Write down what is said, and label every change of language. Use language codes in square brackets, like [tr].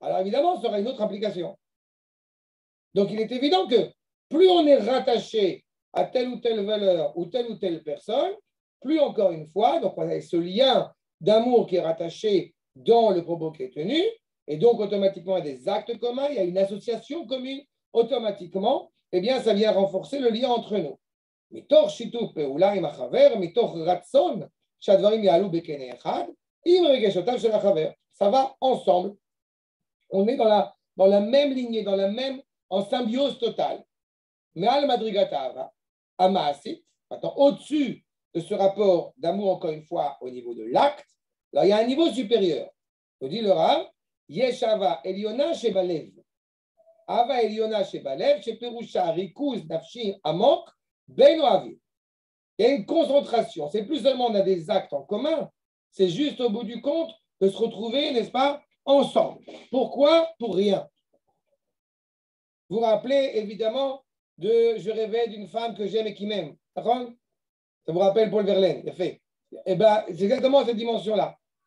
[fr] Alors évidemment, ça aurait une autre implication. Donc il est évident que plus on est rattaché à telle ou telle valeur ou telle personne, plus encore une fois, donc on a ce lien d'amour qui est rattaché dans le propos qui est tenu, et donc automatiquement il y a des actes communs, il y a une association commune, automatiquement, eh bien ça vient renforcer le lien entre nous. [he] מתוך שיתוף פעולה עם החבר, מתוך רצון שהדברים יעלו בקנה אחד, עם רגשותיו של החבר. [fr] Ça va ensemble. On est dans la même lignée, dans la même, en symbiose totale. [he] מעל מדרגת האהבה, המעשית, [fr] maintenant, au-dessus de ce rapport d'amour, encore une fois, au niveau de l'acte, là, il y a un niveau supérieur. Nous dit le Rav, [he] יש אהבה עליונה שבלב. אהבה עליונה שבלב, שפירושה ריכוז נפשי עמוק, Benoavi, [fr] il y a une concentration. C'est plus seulement on a des actes en commun, c'est juste au bout du compte de se retrouver, n'est-ce pas, ensemble. Pourquoi ? Pour rien. Vous vous rappelez évidemment de « Je rêvais d'une femme que j'aime et qui m'aime ». Ça vous rappelle Paul Verlaine, il a fait. Et ben, c'est exactement cette dimension-là.